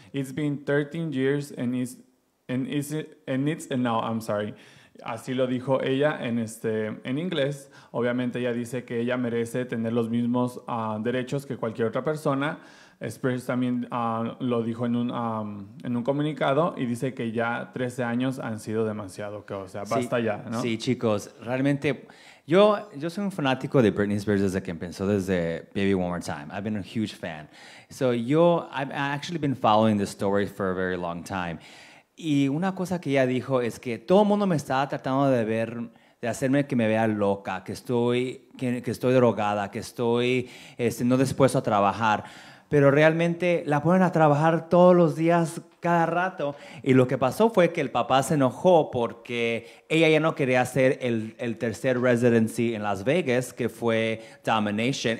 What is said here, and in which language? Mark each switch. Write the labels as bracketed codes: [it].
[en] It's been 13 years and it's enough, I'm sorry. [es] Así lo dijo ella en inglés. Obviamente ella dice que ella merece tener los mismos derechos que cualquier otra persona. Spears también lo dijo en un comunicado y dice que ya 13 años han sido demasiado. Que, o sea, basta sí, ya, ¿no? Sí, chicos. Realmente, yo soy un fanático de Britney Spears desde que empezó, desde Baby One More Time. [en] I've been a huge fan. So I've actually been following this story for a very long time. [es] Y una cosa que ella dijo es que todo el mundo me estaba tratando de hacerme que me vea loca, que estoy drogada, que estoy no dispuesto a trabajar. Pero realmente la ponen a trabajar todos los días, cada rato. Y lo que pasó fue que el papá se enojó porque ella ya no quería hacer el tercer residency en Las Vegas, que fue Domination.